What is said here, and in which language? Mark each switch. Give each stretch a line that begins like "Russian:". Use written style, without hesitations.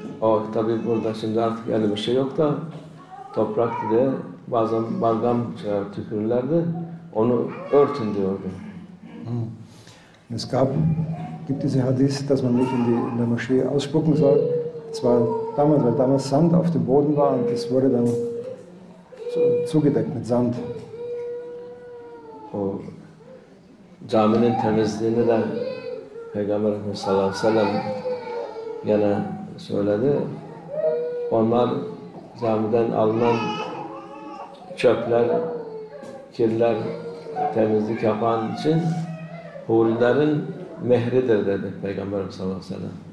Turkish: Oh, tabii burada şimdi artık yani bir şey yok da toprak diye bazen balgam tükürürlerdi. Onu örtün diyordu.
German: Es gibt diese Hadith, dass man nicht in der Moschee ausspucken soll. zwar damals, weil damals Sand auf dem Boden war und das wurde dann zugedeckt mit Sand.
Turkish: O caminin temizliğini de Peygamber sallallahu aleyhi ve sellem gene söyledi. Onlar camiden alınan çöpler, kirler temizlik yapan için hurilerin mehridir dedi Peygamber sallallahu aleyhi ve sellem.